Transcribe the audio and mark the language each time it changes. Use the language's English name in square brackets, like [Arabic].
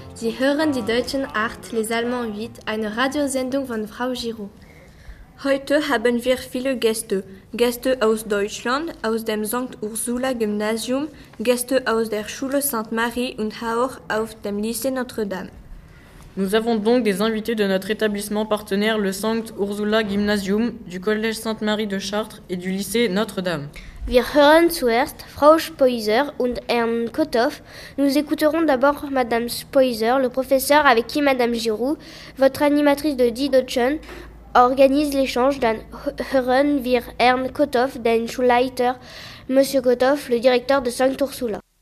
[German] Sie hören die Deutschen 8, [French] les Allemands 8, [German] eine Radiosendung von Frau Giroux. Heute haben wir viele Gäste. Gäste aus Deutschland, aus dem St. Ursula Gymnasium, Gäste aus der Schule St. Marie und auch aus dem Lycée Notre-Dame. [French] Nous avons donc des invités de notre établissement partenaire, le St. Ursula Gymnasium, du Collège Sainte-Marie de Chartres et du Lycée Notre-Dame. [German] Wir hören zuerst Frau Spoiser und Herrn Kotoff. [French] Nous écouterons d'abord Madame Spoiser, le professeur avec qui Madame Giroux, votre animatrice de Die Deutschen, organise l'échange. [German] Dann hören wir Herrn Kotoff, den Schulleiter, [French] Monsieur Kotoff, le directeur de St. Ursula.